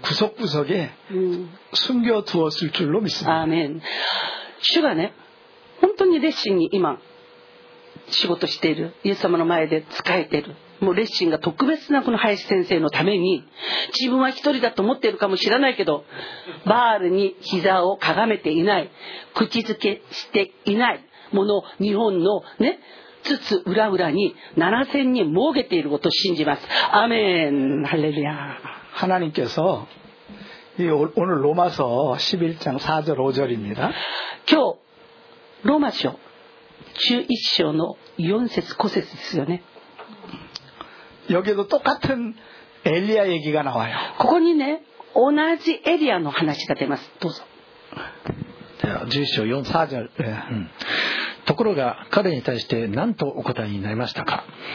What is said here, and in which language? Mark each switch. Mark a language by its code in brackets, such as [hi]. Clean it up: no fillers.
[ko] 구석구석에숨겨두었을줄로믿습니다 [ja] 아멘주가네 本当に熱心に今仕事しているイエス様の前で仕えている、もう熱心が特別なこの林先生のために、自分は一人だと思っているかもしれないけど、バールに膝をかがめていない、口づけしていないもの、日本のね、つつ裏裏に7000人儲けていることを信じます。アメン、ハレルヤ。 [ko] 하나님께서이오늘로마서11장4절5절입니다 [ja] 今日ローマ書11章の4節5節ですよね。 [ko] 여기도똑같은엘리아얘기가나와요。 [ja] ここにね、同じエリアの話が出ます。どうぞ。 11章4、4절、ところが彼に対して何とお答えになりましたか。